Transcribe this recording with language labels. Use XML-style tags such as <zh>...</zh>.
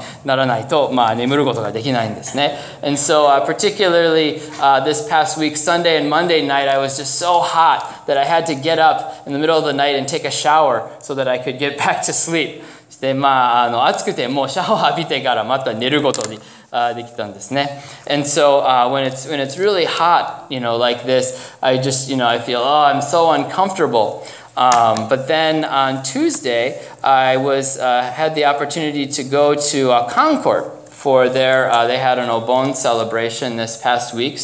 <ja>まあいつも妻と扇風機をつけるかどうかは話し合うにならないと、まあ眠ることができないんですね。</ja> <en>And so particularly this past week, Sunday and Monday night, I was just so hot that I had to get up in the middle of the night and take a shower so that I could get back to sleep.</en> <ja>でまあ暑くてもうシャワー浴びてからまた寝ることに。</ja> <en>And so when it's really hot, you know, like this, I just, you know, I feel, oh, I'm so uncomfortable. But then on Tuesday, I was had the opportunity to go to Concord for their, they had an Obon celebration this past week.</en>